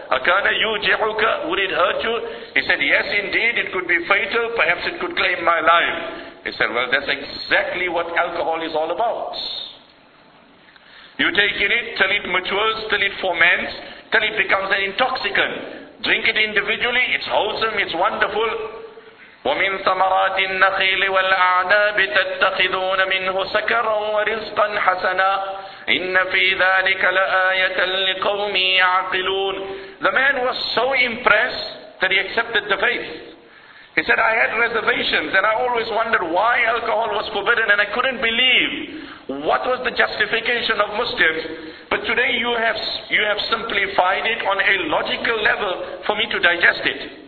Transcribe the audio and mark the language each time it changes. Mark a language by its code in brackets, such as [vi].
[ar] أَكَانَ يُوجِعُكَ [en] Would it hurt you? He said, yes, indeed, it could be fatal. Perhaps it could claim my life. He said, well, that's exactly what alcohol is all about. You take in it till it matures, till it ferments, till it becomes an intoxicant. Drink it individually, it's wholesome, it's wonderful. [ar] وَمِنْ ثَمَرَاتِ النَّخِيلِ وَالْأَعْنَابِ تَتَّخِذُونَ مِنْهُ سَكَرًا وَرِزْقًا حَسَنًا إِنَّ فِي ذَلِكَ لَآيَةً لِقَوْمِ يَعْقِلُونَ [en] The man was so impressed that he accepted the faith. He said, I had reservations and I always wondered why alcohol was forbidden and I couldn't believe what was the justification of Muslims. But today you have simplified it on a logical level for me to digest it.